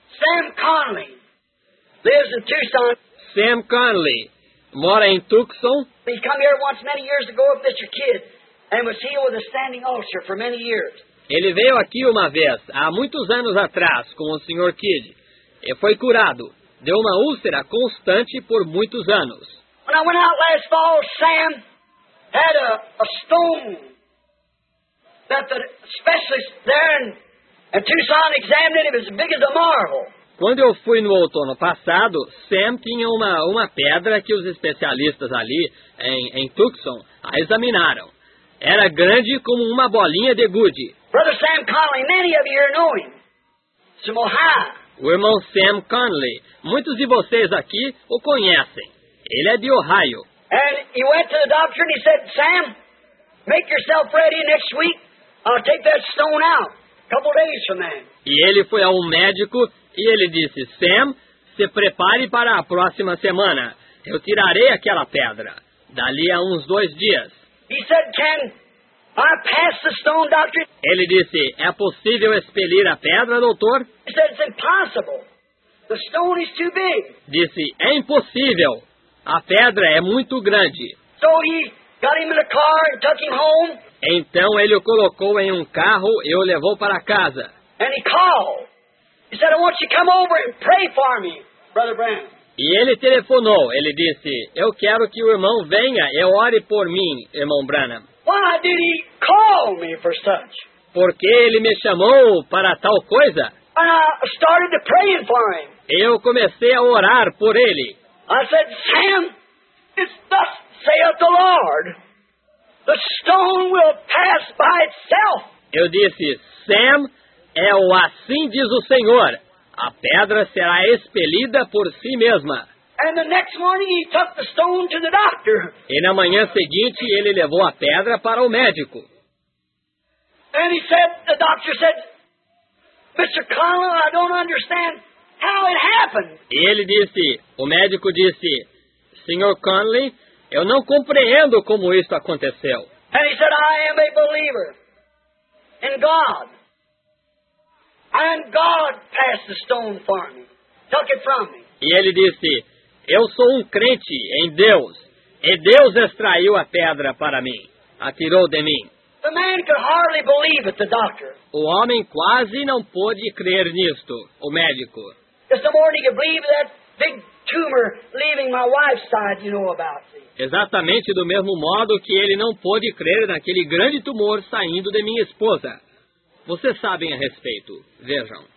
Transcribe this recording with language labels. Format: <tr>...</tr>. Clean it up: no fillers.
<en>Sam Conley lives in Tucson.</en> <pt>Sam Conley mora em Tucson.</pt> <en>He came here once many years ago with Mr. Kidd and was healed with a standing ulcer for many years.</en> <pt>Ele veio aqui uma vez há muitos anos atrás com o Sr. Kidd. E foi curado. Deu uma úlcera constante por muitos anos.</pt> <en>When I went out last fall, Sam had a stone that the specialist there in Tucson examined. It was as big as a marble.</en> <pt>Quando eu fui no outono passado, Sam tinha uma pedra que os especialistas ali em Tucson a examinaram. Era grande como uma bolinha de gude.</pt> <en>Brother Sam Conley, many of you know him. Samoa.</en> <pt>O irmão Sam Conley, muitos de vocês aqui o conhecem. Ele é de Ohio.</pt> <en>And he went to the doctor and he said, Sam, make yourself ready next week. I'll take that stone out. A couple days from then.</en> <pt>E ele foi ao médico e ele disse, Sam, se prepare para a próxima semana. Eu tirarei aquela pedra. Dali a uns dois dias.</pt> <en>He said, can I pass the stone, doctor?</en> <pt>Ele disse, é possível expelir a pedra, doutor?</pt> <en>He said, it's impossible. The stone is too big.</en> <pt>Disse, é impossível. A pedra é muito grande.</pt> <en>So he got him in the car and took him home.</en> <pt>Então ele o colocou em um carro e o levou para casa.</pt> <en>And he called. He said, I want you to come over and pray for me, Brother Brown.</en> <pt>E ele telefonou. Ele disse, eu quero que o irmão venha e ore por mim, irmão Branham.</pt> <en>Why did he call me for such?</en> <pt>Por que ele me chamou para tal coisa?</pt> <en>And I started praying for him.</en> <pt>Eu comecei a orar por ele.</pt> <en>I said, Sam, it's thus saith the Lord. The stone will pass by itself.</en> <pt>Eu disse, Sam, é o assim diz o Senhor. A pedra será expelida por si mesma.</pt> <en>And the next morning he took the stone to the doctor.</en> <pt>E na manhã seguinte ele levou a pedra para o médico.</pt> <en>And he said, the doctor said, Mr. Connell, I don't understand how it happened.</en> <pt>E ele disse, o médico disse, Sr. Connelly, eu não compreendo como isso aconteceu.</pt> <en>And he said, I am a believer in God. And God passed the stone for me, took it from me.</en> <pt>E ele disse, eu sou um crente em Deus, e Deus extraiu a pedra para mim, atirou de mim.</pt> <en>The man could hardly believe it, the doctor.</en> <pt>O homem quase não pôde crer nisto, o médico.</pt> <en>Just the morning you believe that big tumor leaving my wife's side, you know about.</en> <pt>Exatamente do mesmo modo que ele não pôde crer naquele grande tumor saindo de minha esposa. Vocês sabem a respeito, vejam.</pt>